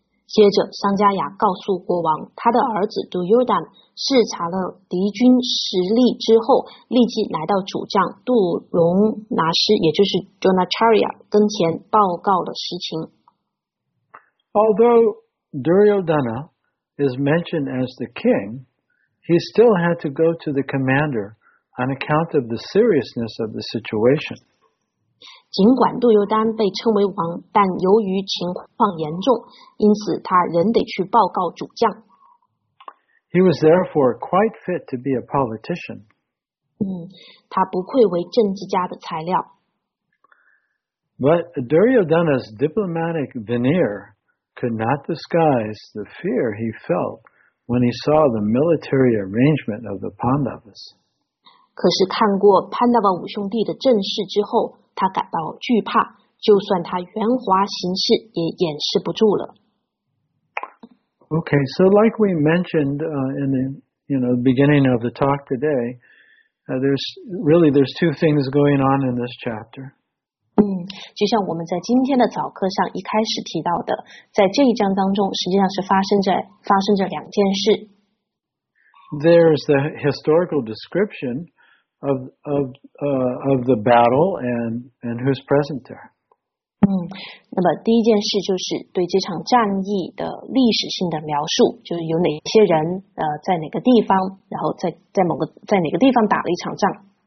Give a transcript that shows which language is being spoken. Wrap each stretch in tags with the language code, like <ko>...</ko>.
<zh>接着桑加雅告诉国王他的儿子 Duryodhana 视察了敌军实力之后立即来到主将杜隆拿师也就是 Dronacharya 跟前报告了实情。</zh> <en>Although Duryodhana is mentioned as the king, he still had to go to the commander on account of the seriousness of the situation.</en> <zh>尽管杜尤丹被称为王，但由于情况严重，因此他仍得去报告主将。</zh> <en>He was therefore quite fit to be a politician.</en> <zh>他不愧为政治家的材料。</zh> <en>But Duryodhana's diplomatic veneer could not disguise the fear he felt when he saw the military arrangement of the Pandavas.</en> <zh>可是看过潘达瓦五兄弟的阵势之后，他感到惧怕，就算他圆滑行事，也掩饰不住了。</zh> <en>Okay, so like we mentioned in the beginning of the talk today, there's two things going on in this chapter.</en> <zh>就像我们在今天的早课上一开始提到的，在这一章当中，实际上是发生着两件事。</zh> <en>There's the historical description of the battle and who's present there.</en> <zh>那么第一件事就是对这场战役的历史性的描述，就是有哪些人在哪个地方，然后在哪个地方打了一场仗。</zh>